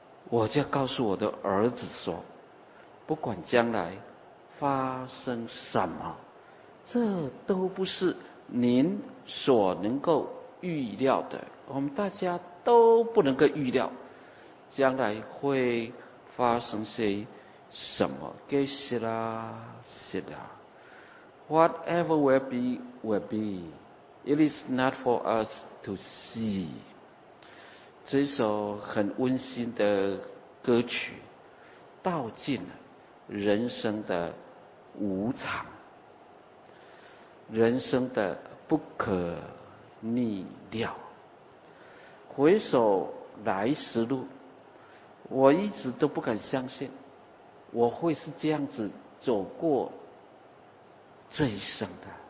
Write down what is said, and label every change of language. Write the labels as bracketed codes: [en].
[zh] 我就告诉我的儿子说，不管将来发生什么，这都不是您所能够预料的，我们大家都不能够预料将来会发生些什么。给谢啦谢啦 [en] whatever will be will be， it is not for us to see。 [zh] 这首很温馨的歌曲道尽了人生的无常，人生的不可逆料。回首来时路，我一直都不敢相信我会是这样子走过这一生的。